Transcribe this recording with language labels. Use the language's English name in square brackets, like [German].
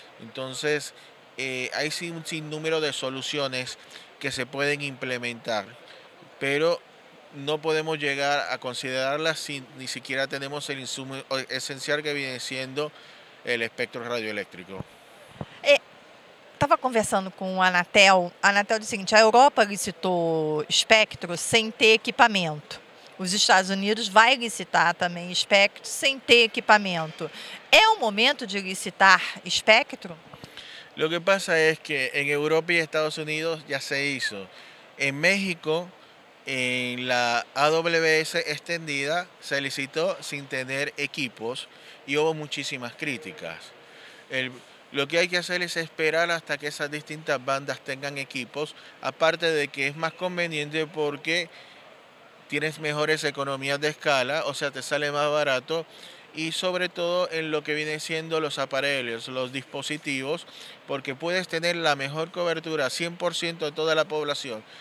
[Spanish] Entonces, hay un sinnúmero de soluciones que se pueden implementar, pero no podemos llegar a considerarlas si ni siquiera tenemos el insumo esencial que viene siendo el espectro radioeléctrico. [Portuguese] Estava conversando com a Anatel. A Anatel disse o seguinte: a Europa licitou espectro sem ter equipamento. Os Estados Unidos vai licitar também espectro sem ter equipamento. É o momento de licitar espectro? [Spanish] Lo que pasa es que en Europa y Estados Unidos ya se hizo. En México, en la AWS extendida se licitó sin tener equipos y hubo muchísimas críticas. Lo que hay que hacer es esperar hasta que esas distintas bandas tengan equipos, aparte de que es más conveniente porque tienes mejores economías de escala, o sea, te sale más barato, y sobre todo en lo que vienen siendo los aparatos, los dispositivos, porque puedes tener la mejor cobertura, 100% de toda la población.